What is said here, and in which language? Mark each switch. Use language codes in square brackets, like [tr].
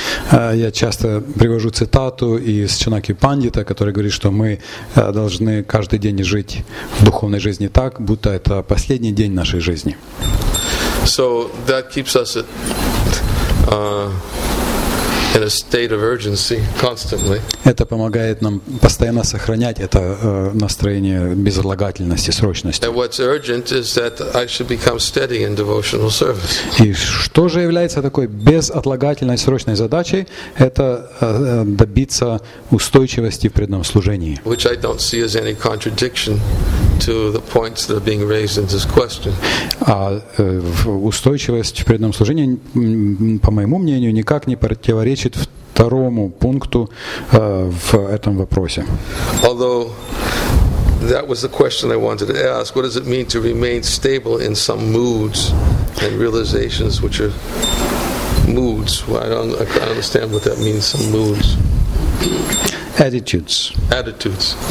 [ru] Я часто привожу цитату из Чанаки Пандита, который говорит, что мы должны каждый день жить в духовной жизни так, будто это последний день нашей жизни. [en] So that keeps us in a state of urgency constantly. [ru] Это помогает нам постоянно сохранять это настроение безотлагательности, срочности. [en] And what's urgent is that I should become steady in devotional service. [ru] И что же является такой безотлагательной, срочной задачей? Это добиться устойчивости в преданном служении. [en] Which I don't see as any contradiction to the points that are being raised in this question. [ru] А устойчивость в преданном служении, по моему мнению, никак не противоречит второму пункту в этом вопросе. [en] Although that was the question I wanted to ask, what does it mean to remain stable in some moods and realizations which are moods? Well, I don't understand what that means, some moods. Attitudes. Attitudes.